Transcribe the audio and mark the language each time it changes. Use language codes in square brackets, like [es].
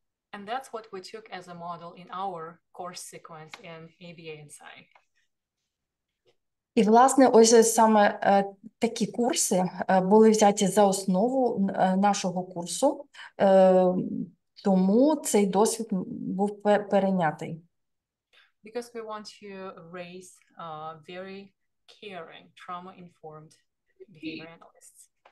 [en] And that's what we took as a model in our course sequence in ABA and Psy. [uk] І, власне, ось саме такі курси були взяті за основу нашого курсу, тому цей досвід був перейнятий. [en] Because we want to raise very caring, trauma-informed behavior analysts.